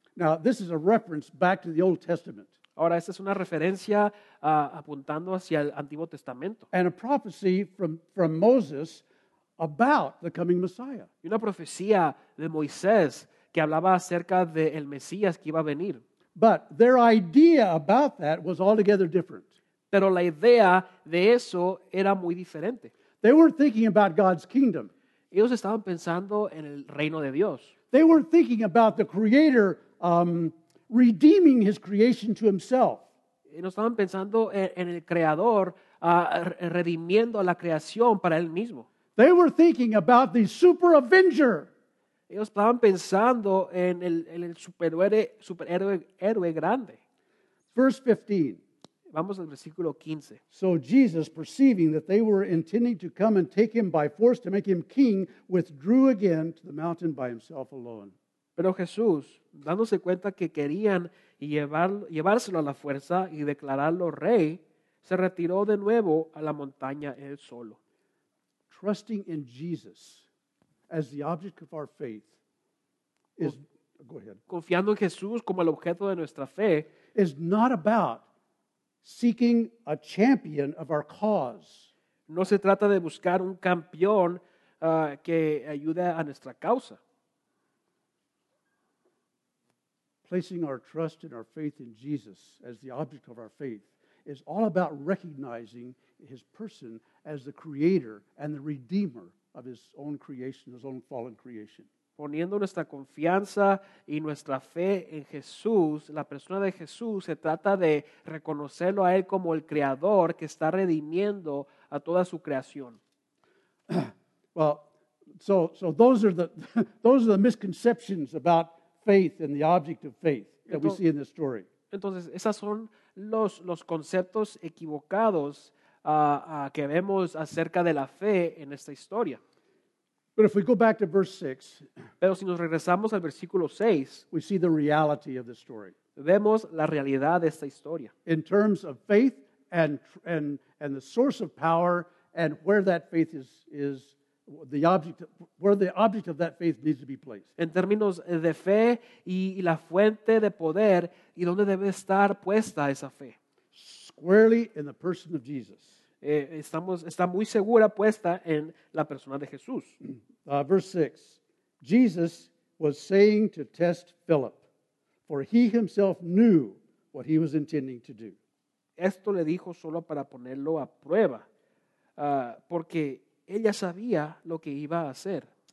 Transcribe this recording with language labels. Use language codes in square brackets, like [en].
[en] Now, this is a reference back to the Old Testament. [es] Ahora, esta es una referencia apuntando hacia el Antiguo Testamento. [en] And a prophecy from Moses about the coming Messiah. [es] Y una profecía de Moisés que hablaba acerca de el Mesías que iba a venir. [en] But their idea about that was altogether different. [es] Pero la idea de eso era muy diferente. [en] They weren't thinking about God's kingdom. [es] Ellos estaban pensando en el reino de Dios. [en] They weren't thinking about the Creator redeeming His creation to Himself. [es] Y no estaban pensando en el Creador redimiendo la creación para Él mismo. [en] They were thinking about the Super Avenger. [es] Ellos estaban pensando en el superhéroe grande. [en] Verse 15. [es] Vamos al versículo 15. [en] So Jesus, perceiving that they were intending to come and take him by force to make him king, withdrew again to the mountain by himself alone. [es] Pero Jesús, dándose cuenta que querían llevárselo a la fuerza y declararlo rey, se retiró de nuevo a la montaña él solo. [en] Trusting in Jesus as the object of our faith is, go ahead. [es] Confiando en Jesús como el objeto de nuestra fe [en] is not about seeking a champion of our cause. [es] No se trata de buscar un campeón que ayude a nuestra causa. [en] Placing our trust and our faith in Jesus as the object of our faith is all about recognizing His person as the Creator and the Redeemer of His own creation, His own fallen creation. [es] Poniendo nuestra confianza y nuestra fe en Jesús, la persona de Jesús, se trata de reconocerlo a Él como el Creador que está redimiendo a toda su creación. [en] Well, so those are the misconceptions about faith and the object of faith that [es] entonces, [en] we see in this story. [es] Entonces, esas son los conceptos equivocados que vemos acerca de la fe en esta historia. [en] But if we go back to verse 6, [es] pero si nos regresamos al versículo 6, [en] we see the reality of the story. [es] Vemos la realidad de esta historia. [en] In terms of faith and the source of power and where that faith is the object, where the object of that faith needs to be placed. [es] En términos de fe y la fuente de poder y dónde debe estar puesta esa fe. [en] Squarely in the person of Jesus. [es] Está muy segura puesta en la persona de Jesús. [en] Verse 6. Jesus was saying to test Philip, for he himself knew what he was intending to do. [es] Esto le dijo solo para ponerlo a prueba, porque él ya sabía lo que iba a hacer.